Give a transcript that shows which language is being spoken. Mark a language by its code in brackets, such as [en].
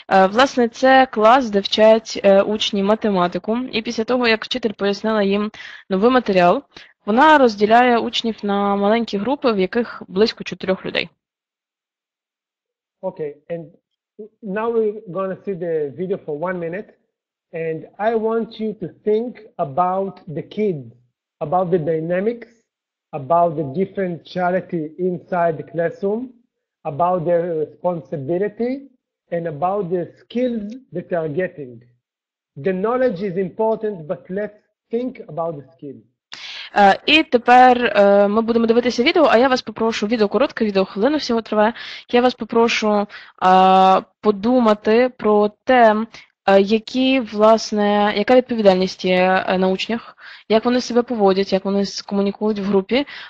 [uk] Власне, це клас, де вчать учні математику. І після того, як вчитель пояснила їм новий матеріал, вона розділяє учнів на маленькі групи, в яких близько 4 людей. [en] Okay, and now we're going to see the video for 1 minute. And I want you to think about the kids, about the dynamics, about the different charity inside the classroom, about their responsibility, and about the skills that they are getting. The knowledge is important, but let's think about the skills. [uk] І тепер ми будемо дивитися відео, а я вас попрошу, відео коротке, відео хвилину всього триває, я вас попрошу подумати про те, які, власне, яка відповідальність є на учнях, як вони себе поводять, як вони комунікують в групі.